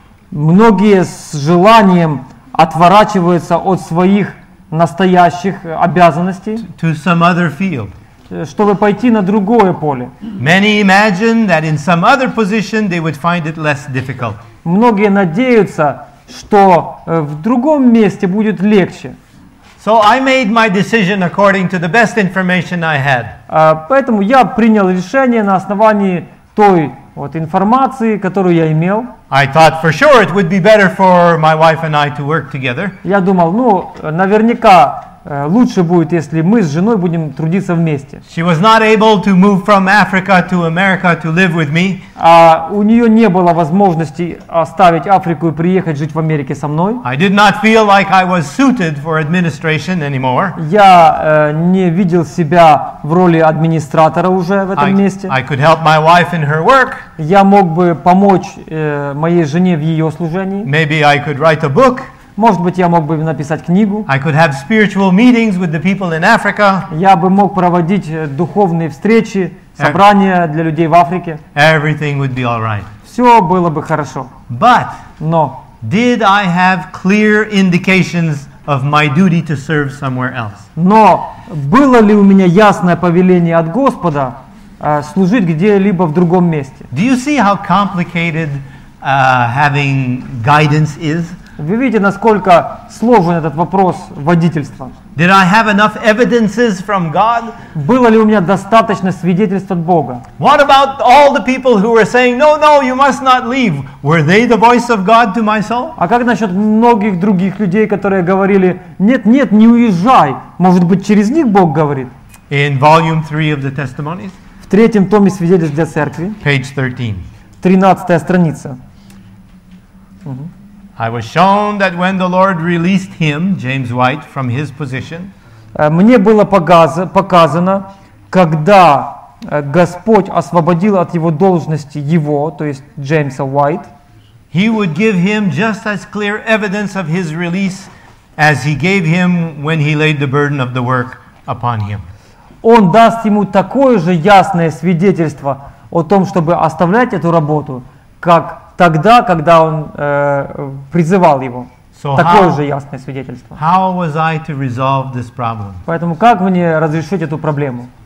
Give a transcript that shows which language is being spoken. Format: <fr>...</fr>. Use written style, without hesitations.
<ru>Многие с желанием отворачиваются от своих настоящих обязанностей.</ru> <en>To some other field.</en> <ru>Чтобы пойти на другое поле.</ru> <en>Many imagine that in some other position they would find it less difficult.</en> <ru>Многие надеются, что в другом месте будет легче.</ru> <en>So I made my decision according to the best information I had.</en> <ru>Поэтому я принял решение на основании той вот информации, которую я имел.</ru> <en>I thought for sure it would be better for my wife and I to work together.</en> <ru>Я думал, наверняка лучше будет, если мы с женой будем трудиться вместе.</ru> <en>She was not able to move from Africa to America to live with me.</en> <ru>У нее не было возможности оставить Африку и приехать жить в Америке со мной.</ru> <en>I did not feel like I was suited for administration anymore.</en> <ru>Я не видел себя в роли администратора уже в этом месте.</ru> <en>I could help my wife in her work.</en> <ru>Я мог бы помочь моей жене в ее служении.</ru> <en>Maybe I could write a book.</en> <ru>Может быть, я мог бы написать книгу.</ru> <en>I could have spiritual meetings with the people in Africa.</en> <ru>Я бы мог проводить духовные встречи, собрания для людей в Африке.</ru> <en>Everything would be all right.</en> <ru>Все было бы хорошо.</ru> <en>But</en> <ru>но</ru> <en>did I have clear indications of my duty to serve somewhere else?</en> <ru>Но было ли у меня ясное повеление от Господа служить где-либо в другом месте?</ru> <en>Do you see how complicated having guidance is?</en> <ru>Вы видите, насколько сложен этот вопрос водительства?</ru> <en>Did I have enough evidences from God?</en> <ru>Было ли у меня достаточно свидетельств от Бога?</ru> <en>What about all the people who were saying, "No, no, you must not leave"? Were they the voice of God to my soul?</en> <ru>А как насчет многих других людей, которые говорили, "Нет, нет, не уезжай"? Может быть, через них Бог говорит?</ru> <en>In volume 3 of the testimonies.</en> <ru>В третьем томе свидетельств для церкви.</ru> <en>Page 13.</en> <ru>13 страница.</ru> <en>I was shown that when the Lord released him, James White, from his position.</en> <ru>Мне было показано, когда Господь освободил от его должности его, то есть Джеймса Уайт.</ru> <en>He would give him just as clear evidence of his release as he gave him when he laid the burden of the work upon him.</en> <ru>Он даст ему такое же ясное свидетельство о том, чтобы оставлять эту работу, как тогда, когда он призывал его.</ru> <en>So</en> <ru>такое</ru> <en>how,</en> <ru>же ясное свидетельство.</ru> <en>How was I to resolve this problem?</en> <ru>Поэтому как мне разрешить эту проблему?</ru>